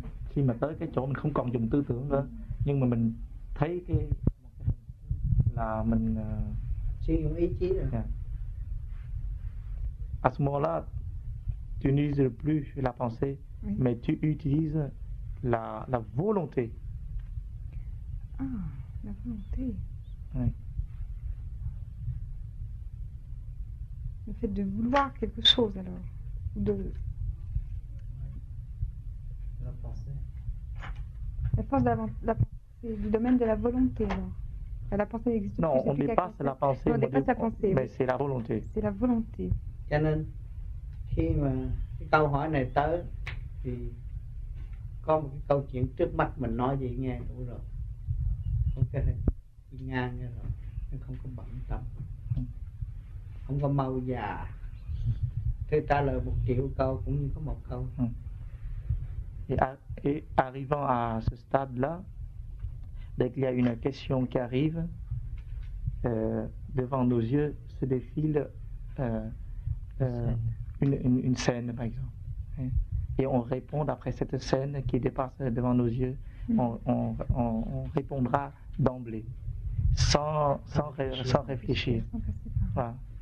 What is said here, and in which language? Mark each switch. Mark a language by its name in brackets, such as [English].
[Vietnamese] Khi mà tới cái chỗ mình không còn dùng tư tưởng nữa, nhưng mà mình thấy cái là mình sử dụng ý chí rồi. [French] À ce moment-là, tu n'utilises plus la pensée, mais tu utilises la volonté. Ah, la volonté. Oui. Le fait de vouloir quelque chose alors, de la pensée. La force de la pensée, du domaine de la volonté. Alors. La pensée n'existe non, plus. Non, on dépasse la pensée. On dépasse la pensée. Mais c'est la volonté. C'est la volonté. [Vietnamese] Cho nên khi mà cái câu hỏi này tới thì có một cái câu chuyện trước mắt mình nói vậy nghe đủ rồi. Không cái này đi ngang nghe rồi, không có bận tâm, không có mau già. Thế trả lời một triệu câu cũng như có một câu. [French] Et arrivant à ce stade-là, dès qu'il y a une question qui arrive, devant nos yeux se défile une scène, par exemple. Et on répond après cette scène qui dépasse devant nos yeux, on répondra d'emblée, sans réfléchir. Voilà.